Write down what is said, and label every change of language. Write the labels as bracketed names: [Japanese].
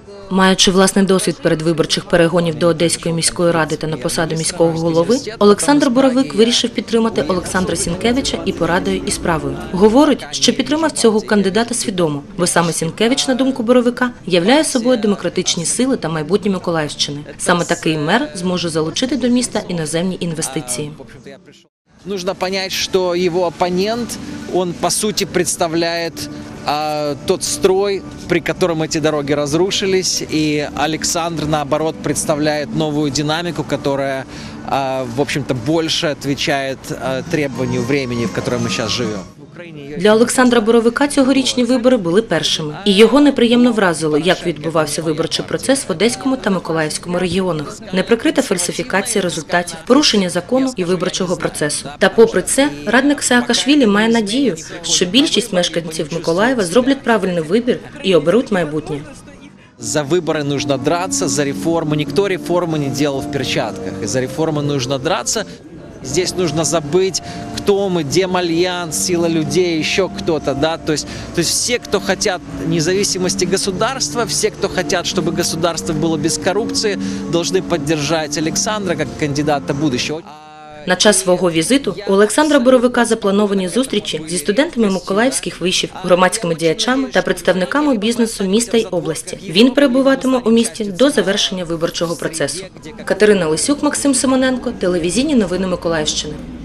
[Ukrainian] Маючи власний досвід передвиборчих перегонів до Одеської міської ради та на посаду міського голови, Олександр Боровик вирішив підтримати Олександра Сінкевича і порадою, і справою. Говорить, що підтримав цього кандидата свідомо, бо саме Сінкевич, на думку Боровика, являє собою демократичні сили та майбутнє Миколаївщини. Саме такий мер зможе залучити до міста іноземні інвестиції. [Russian] Нужно понять, что его оппонент, он по сути представляет тот строй, при котором эти дороги разрушились, и Александр, наоборот, представляет новую динамику, которая, в общем-то, больше отвечает требованию времени, в котором мы сейчас живем. [Ukrainian] Для Олександра Боровика цьогорічні вибори були першими. І його неприємно вразило, як відбувався виборчий процес в Одеському та Миколаївському регіонах. Неприкрита фальсифікація результатів, порушення закону і виборчого процесу. Та попри це, радник Саакашвілі має надію, що більшість мешканців Миколаєва зроблять правильний вибір і оберуть майбутнє. За вибори потрібно драться, за реформи. Ніхто реформи не робив в перчатках. За реформи потрібно драться. [Russian] Здесь нужно забыть, кто мы, Демальянс, сила людей, еще кто-то, да, то есть все, кто хотят независимости государства, все, кто хотят, чтобы государство было без коррупции, должны поддержать Александра как кандидата будущего. [Ukrainian] На час свого візиту у Олександра Боровика заплановані зустрічі зі студентами миколаївських вишів, громадськими діячами та представниками бізнесу міста й області. Він перебуватиме у місті до завершення виборчого процесу. Катерина Лисюк, Максим Симоненко, телевізійні новини Миколаївщини.